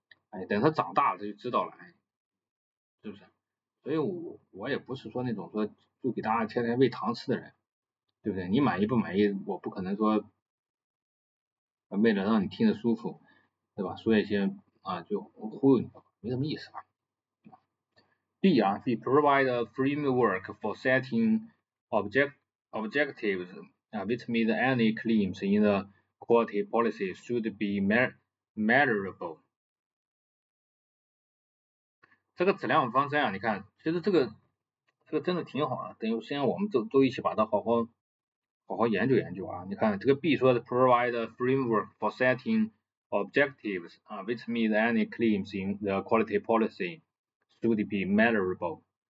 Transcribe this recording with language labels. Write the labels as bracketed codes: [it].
[zh] 哎，等他长大了，他就知道了，哎，是不是？所以我也不是说那种说就给大家天天喂糖吃的人，对不对？你满意不满意，我不可能说。为了让你听着舒服，对吧？说一些就忽悠你，没什么意思啊。 [en] B 啊，B provide a framework for setting objectives which meet any claims in the quality policy should be measurable。 [zh] 这个质量方针啊，你看，其实这个真的挺好啊。等有时间我们都一起把它好好。好好研究研究啊！你看这个 B 说的 [en] provide a framework for setting objectives which meet any claims in the quality policy should be measurable。